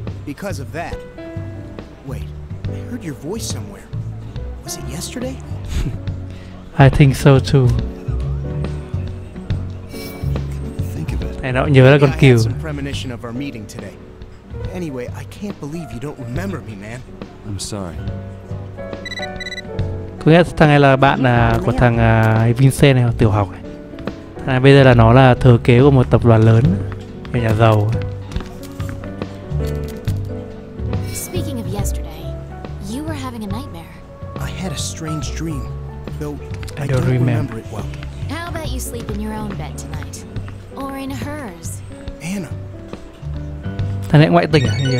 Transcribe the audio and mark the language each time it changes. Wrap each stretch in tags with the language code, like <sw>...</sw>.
<en>Because of that. Wait, I heard your voice somewhere. Was it yesterday? I think so too. I don't think of it. I had some premonition of our meeting today. Anyway, I can't believe you don't remember me, man. I'm sorry.</en> <vi>Có nghĩa thằng này là bạn của thằng Vincent này, tiểu học này. Thằng này bây giờ là nó là thừa kế của một tập đoàn lớn, cái nhà giàu.</vi> <en>Speaking of yesterday, you were having a nightmare. I had a strange dream, though I don't remember it well. How about you sleep in your own bed tonight, or in hers? Anna.</en> <vi>Thằng này ngoại tình à?</vi>